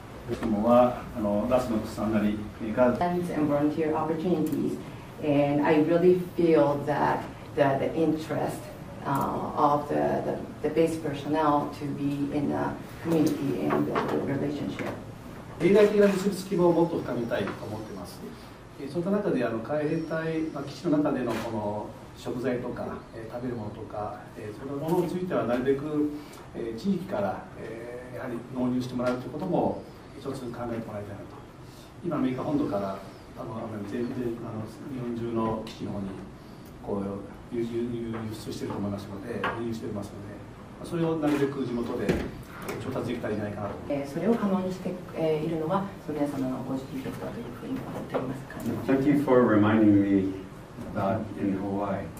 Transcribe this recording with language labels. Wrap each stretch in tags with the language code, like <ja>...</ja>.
<en>Events and volunteer opportunities, and I really feel that the interest of the base personnel to be in the community and the relationship.</en> <ja>リーダー的な結びつきをもっと深めたいと思ってます。そういった中で海兵隊、基地の中での この食材とか食べるものとか、そういったものについてはなるべく地域からやはり納入してもらうということも一つ考えてもらいたいなと。今アメリカ本土から多分全然日本中の基地の方にこう輸出していると思いますので、輸入していますので、それをなるべく地元で調達できたりないかなと。それを可能にしているのは、それは様のご指摘だというふうに思っております。</ja> <en>Thank you for reminding me about in Hawaii.</en>